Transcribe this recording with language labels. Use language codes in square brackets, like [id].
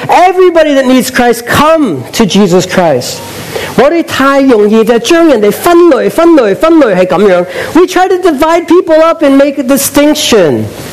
[en] Everybody that needs Christ, come to Jesus Christ. [zh] 我们太容易将人分类是这样. [en] We try to divide people up and make a distinction.